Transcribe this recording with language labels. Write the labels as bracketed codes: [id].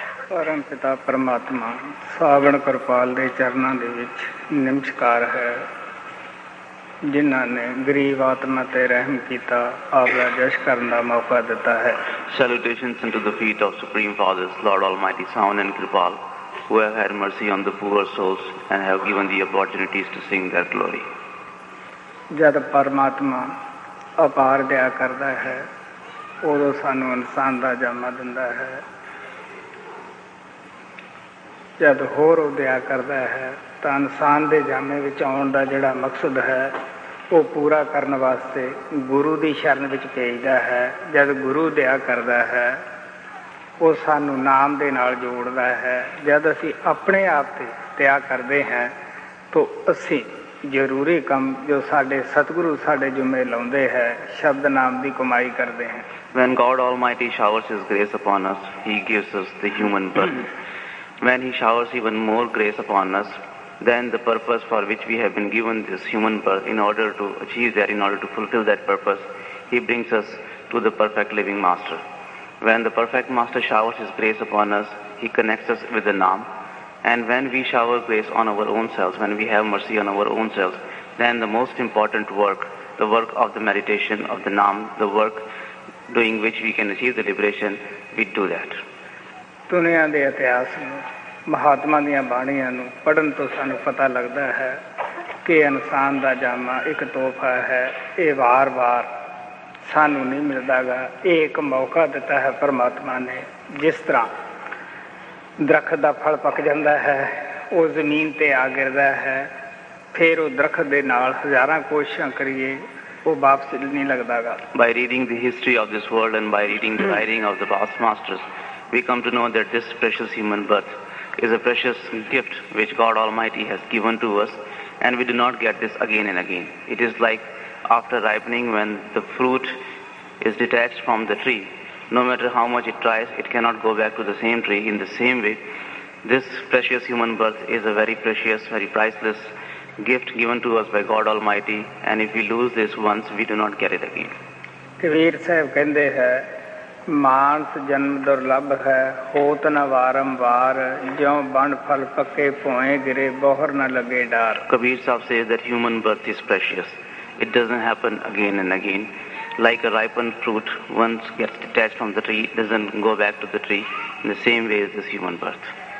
[pa] परम पिता परमात्मा सावन कृपाल दे चरणा दे विच नमस्कार है ਜਿਨ੍ਹਾਂ ਨੇ ਗਰੀਬ ਆਤਮਾ ਤੇ ਰਹਿਮ ਕੀਤਾ ਆਪਦਾ ਜਸ਼ ਕਰਨ ਦਾ ਮੌਕਾ ਦਿੱਤਾ ਹੈ [en] Salutations unto the feet of Supreme Fathers, Lord Almighty Sawant and Kripal, who have had mercy on the poor souls and have given the opportunities to sing their glory. [pa] ਜਦ ਪਰਮਾਤਮਾ ਅਪਾਰ ਦਇਆ ਕਰਦਾ ਹੈ ਉਦੋਂ ਸਾਨੂੰ ਇਨਸਾਨ ਦਾ ਜਾਮਾ ਦਿੰਦਾ ਹੈ, ਜਦ ਹੋਰ ਉਦਿਆ ਕਰਦਾ ਹੈ ਤਾਂ ਇਨਸਾਨ ਦੇ ਜਾਮੇ ਵਿੱਚ ਆਉਣ ਦਾ ਜਿਹੜਾ ਮਕਸਦ ਹੈ ਉਹ ਪੂਰਾ ਕਰਨ ਵਾਸਤੇ ਗੁਰੂ ਦੀ ਸ਼ਰਨ ਵਿੱਚ ਭੇਜਦਾ ਹੈ। ਜਦ ਗੁਰੂ ਦਿਆ ਕਰਦਾ ਹੈ ਉਹ ਸਾਨੂੰ ਨਾਮ ਦੇ ਨਾਲ ਜੋੜਦਾ ਹੈ। ਜਦ ਅਸੀਂ ਆਪਣੇ ਆਪ 'ਤੇ ਦਿਆ ਕਰਦੇ ਹਾਂ ਤਾਂ ਅਸੀਂ ਜ਼ਰੂਰੀ ਕੰਮ ਜੋ ਸਾਡੇ ਸਤਿਗੁਰੂ ਸਾਡੇ ਜੁੰਮੇ ਲਾਉਂਦੇ ਹੈ ਸ਼ਬਦ ਨਾਮ ਦੀ ਕਮਾਈ ਕਰਦੇ ਹਾਂ। [en] When God Almighty showers His grace upon us, He gives us the human birth. When He showers even more grace upon us, then the purpose for which we have been given this human birth, in order to achieve that, in order to fulfill that purpose, He brings us to the perfect living master. When the perfect master showers His grace upon us, He connects us with the Naam. And when we shower grace on our own selves, when we have mercy on our own selves, then the most important work, the work of the meditation of the Naam, the work doing which we can achieve the liberation, we do that. [pa] ਦੁਨੀਆਂ ਦੇ ਇਤਿਹਾਸ ਨੂੰ, ਮਹਾਤਮਾ ਦੀਆਂ ਬਾਣੀਆਂ ਨੂੰ ਪੜ੍ਹਨ ਤੋਂ ਸਾਨੂੰ ਪਤਾ ਲੱਗਦਾ ਹੈ ਕਿ ਇਨਸਾਨ ਦਾ ਜਾਮਾ ਇੱਕ ਤੋਹਫ਼ਾ ਹੈ, ਇਹ ਵਾਰ ਵਾਰ ਸਾਨੂੰ ਨਹੀਂ ਮਿਲਦਾ ਗਾ, ਇਹ ਇੱਕ ਮੌਕਾ ਦਿੱਤਾ ਹੈ ਪਰਮਾਤਮਾ ਨੇ। ਜਿਸ ਤਰ੍ਹਾਂ ਦਰੱਖਤ ਦਾ ਫਲ ਪੱਕ ਜਾਂਦਾ ਹੈ, ਉਹ ਜ਼ਮੀਨ 'ਤੇ ਆ ਗਿਰਦਾ ਹੈ, ਫਿਰ ਉਹ ਦਰੱਖਤ ਦੇ ਨਾਲ ਹਜ਼ਾਰਾਂ ਕੋਸ਼ਿਸ਼ਾਂ ਕਰੀਏ ਉਹ ਵਾਪਸ ਨਹੀਂ ਲੱਗਦਾ ਗਾ। [en] By reading the history of this world and by reading the writing of the past masters, we come to know that this precious human birth is a precious gift which God Almighty has given to us, and we do not get this again and again. It is like after ripening, when the fruit is detached from the tree, no matter how much it tries, it cannot go back to the same tree. In the same way, this precious human birth is a very precious, very priceless gift given to us by God Almighty, and if we lose this once, we do not get it again. [pa] Kabir Sahib kehnde hai, ਮਾਨਸ ਜਨਮ ਦੁਰਲੱਭ ਹੈ, ਹੋਤ ਨਾ ਵਾਰੰਵਾਰ, ਜਿਉਂ ਬਣ ਫਲ ਪੱਕੇ ਭੋਏ ਗਿਰੇ, ਬੋਹਰ ਨਾ ਲੱਗੇ ਡਾਰ। [en] Kabir Sahib says that human birth is precious, it doesn't happen again and again, like a ripen fruit once gets detached from the tree, doesn't go back to the tree, in the same way is this human birth.